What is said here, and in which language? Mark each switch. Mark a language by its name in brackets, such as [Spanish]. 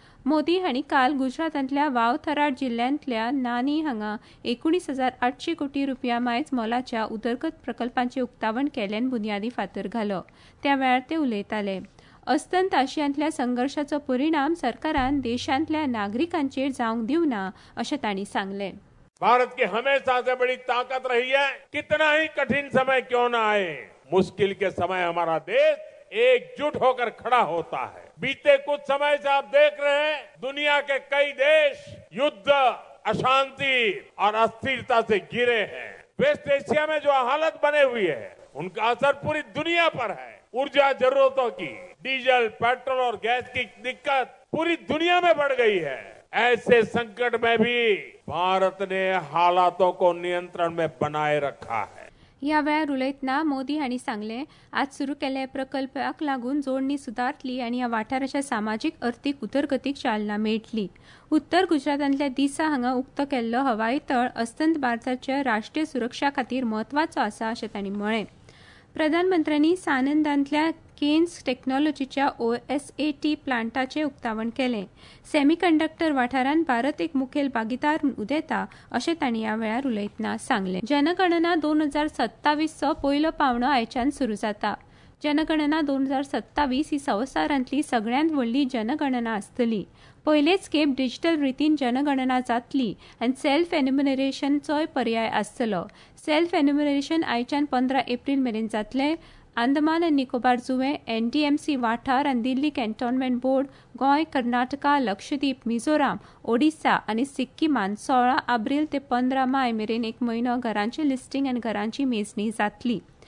[Goan Konkani] मोदी हांणी काल गुजरातांतल्या वाव थराड जिल्ह्यांतल्या नानी हांगा 19,800 कोटी रुपया मायज मोलाच्या उदरगत प्रकल्पांचे उक्तावण केल्ल्यान बुन्यादी फातर घालो. त्या वेळार ते उलयताले. अस्तंत आशियांतल्या संघर्षाचो परिणाम सरकारान देशांतल्या नागरिकांचेर जावंक दिवं ना अशें तांणी सांगले. [Hindi] भारत की हमेशा से बड़ी ताकत रही है. कितना ही कठिन समय क्यों ना आए, मुश्किल के समय हमारा देश एकजुट होकर खड़ा होता है. बीते कुछ समय से आप देख रहे हैं दुनिया के कई देश युद्ध अशांति और अस्थिरता से घिरे हैं. वेस्ट एशिया में जो हालत बने हुई है उनका असर पूरी दुनिया पर है. ऊर्जा जरूरतों की, डीजल पेट्रोल और गैस की दिक्कत पूरी दुनिया में बढ़ गई है. ऐसे संकट में भी भारत ने हालातों को नियंत्रण में बनाए रखा है. [Goan Konkani] ह्या वेळार उलयतना मोदी हांणी सांगले, आज सुरू केल्ले प्रकल्पाक लागून जोडणी सुदारतली आनी ह्या वाठाराच्या सामाजीक अर्थीक उदरगतीक चालना मेळटली. उत्तर गुजरातांतल्या दिसा हांगा उक्त केल्लो हवाई तळ अस्तंत भारताच्या राष्ट्रीय सुरक्षा खातीर म्हत्वाचो आसा अशें तांणी म्हळें. प्रधानमंत्र्यांनी सानंदांतल्या केन्स टेक्नॉलॉजीच्या OSAT प्लांटाचे उक्तावण केले. सेमीकंडक्टर वाठारांत भारत एक मुखेल भागीदार उदेता अशें तांणी ह्या वेळार उलयतना सांगले. जनगणना 2027 पयलो पावणो आयच्यान सुरू जाता. जनगणना 2027 ही संवसारांतली सगळ्यांत व्हडली जनगणना आसतली. पयलेच खेप डिजिटल रितीन जनगणना जातली आनी सेल्फ एन्युमिनेशनचोय पर्याय आसतलो. सेल्फ एन्युमिनेशन आयच्यान 15 एप्रील मेरेन जातले. अंदमान आनी निकोबार जुवे NDMC वाठार आनी दिल्ली कॅन्टोनमेंट बोर्ड गोंय कर्नाटका लक्षद्वीप मिझोराम ओडिशा आनी सिक्कीमान 16 एप्रील ते 15 मे मेरेन 1 महिनो घरांचे लिस्टींग आनी घरांची मेजणी जातली.